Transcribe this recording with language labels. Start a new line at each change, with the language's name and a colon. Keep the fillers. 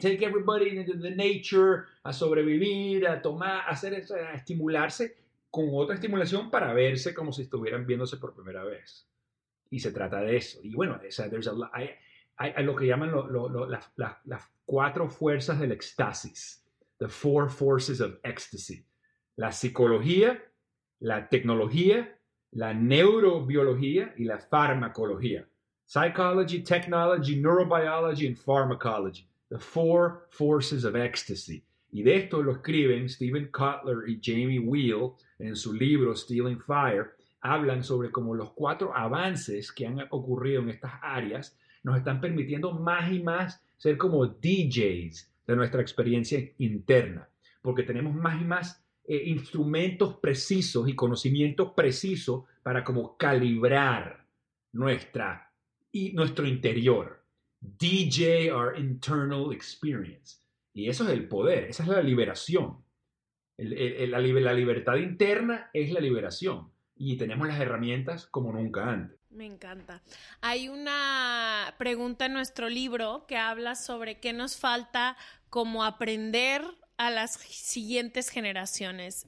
English: Take everybody into the nature,
Spanish: a sobrevivir, a tomar, a, hacer, eso, a estimularse con otra estimulación para verse como si estuvieran viéndose por primera vez. Y se trata de eso. Y bueno, o sea,
English: there's a
Spanish: lo- hay, hay- hay lo que llaman lo- lo- lo- las- las- las cuatro fuerzas del éxtasis.
English: The four forces of ecstasy.
Spanish: La psicología, la tecnología, la neurobiología y la farmacología.
English: Psychology, technology, neurobiology and pharmacology. The four forces of ecstasy.
Spanish: Y de esto lo escriben Stephen Kotler y Jamie Wheel en su libro Stealing Fire. Hablan sobre cómo los cuatro avances que han ocurrido en estas áreas nos están permitiendo más y más ser como DJs de nuestra experiencia interna, porque tenemos más y más eh, instrumentos precisos y conocimientos precisos para como calibrar nuestra y nuestro interior.
English: DJ our internal experience.
Spanish: Y eso es el poder, esa es la liberación. El- el- el- la, liber- la libertad interna es la liberación. Y tenemos las herramientas como nunca antes. Me encanta. Hay una pregunta en nuestro libro que habla sobre qué nos falta como aprender a las siguientes generaciones.